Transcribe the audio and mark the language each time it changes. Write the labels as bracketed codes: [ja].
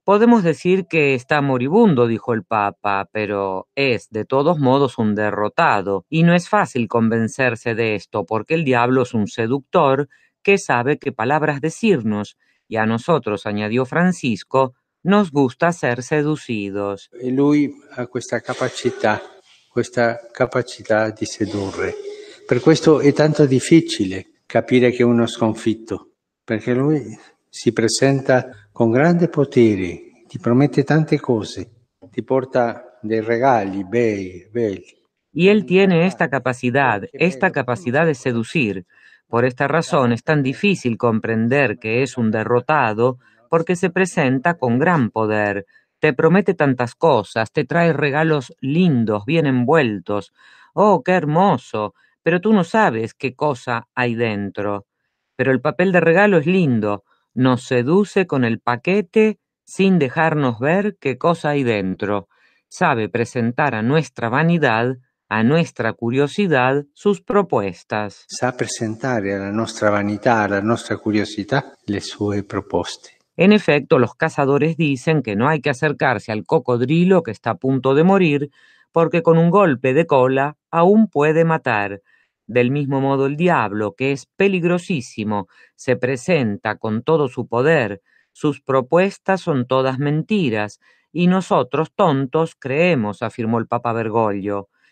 [es] Podemos decir que está moribundo, dijo el Papa, pero es de todos modos un derrotado, y no es fácil convencerse de esto, porque el diablo es un seductor que sabe qué palabras decirnos, y a nosotros, añadió Francisco, nos gusta ser seducidos. [it] Lui ha questa capacità di sedurre. Per questo è tanto difficile capire che uno è sconfitto, perché lui si presenta con grande potere, ti promette tante cose, ti porta dei regali belli. [es] Y él tiene esta capacidad de seducir. Por esta razón es tan difícil comprender que es un derrotado, porque se presenta con gran poder, te promete tantas cosas, te trae regalos lindos, bien envueltos. ¡Oh, qué hermoso! Pero tú no sabes qué cosa hay dentro. Pero el papel de regalo es lindo, nos seduce con el paquete sin dejarnos ver qué cosa hay dentro. Sabe presentar a nuestra vanidad, a nuestra curiosidad, sus propuestas. [it] Sa presentare alla nostra vanità, alla nostra curiosità, le sue proposte. [es] En efecto, los cazadores dicen que no hay que acercarse al cocodrilo que está a punto de morir, porque con un golpe de cola aún puede matar. Del mismo modo, el diablo, que es peligrosísimo, se presenta con todo su poder. Sus propuestas son todas mentiras, y nosotros, tontos, creemos, afirmó el Papa Bergoglio.